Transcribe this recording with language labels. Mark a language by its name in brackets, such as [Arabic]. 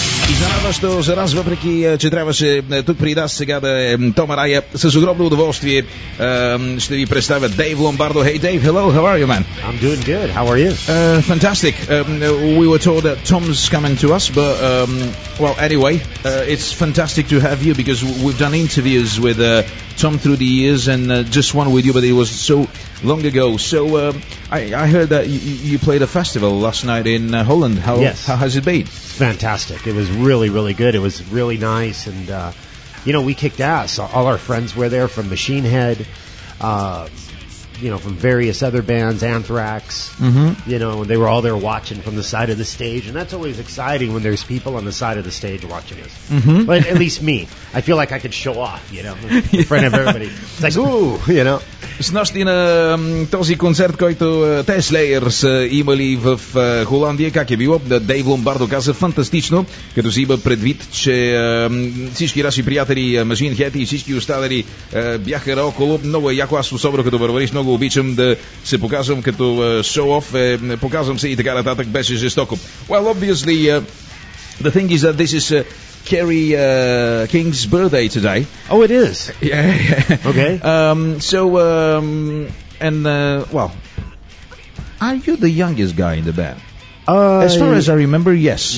[Bulgarian] Изненадващо за нас, въпреки че трябваше тук при нас сега да е Тома Рая, с огромно удоволствие ще ви представя Дейв Ломбардо. [English] Hey Dave, hello, how are you, man? I'm doing good, how are you? Fantastic. We were told that Tom's coming to us, but, well, anyway, it's fantastic to have you, because we've done interviews with Tom through the years, and just one with you, but it was so long ago. So I heard that you played a festival last night in Holland. How, yes. How has it been? Fantastic. It was really, really good. It was really nice, and, you know, we kicked ass. All our friends were there from Machine Head, you know, from various other bands, Anthrax. Mm-hmm. You know, they were all there watching from the side of the stage, and that's always exciting when there's people on the side of the stage watching us. Mm-hmm. But at least me. I feel like I could show off, you know, in front of everybody. It's like, ooh, you know. [Bulgarian] Снощи на този концерт, който Те Слейерс имали в Холандия, как е било? Дейв Ломбардо каза фантастично, като си има предвид, че всички наши приятели, Мажин Хет и всички останали бяха наоколо. Много е яко, аз особено като барбарист много обичам да се показвам като шоу-оф, показвам се и така нататък, беше жестоко. [English] Well, obviously, the thing is that this is... Kerry King's birthday today. Oh, it is. Yeah. Okay. Well, are you the youngest guy in the band? As far as I remember, yes.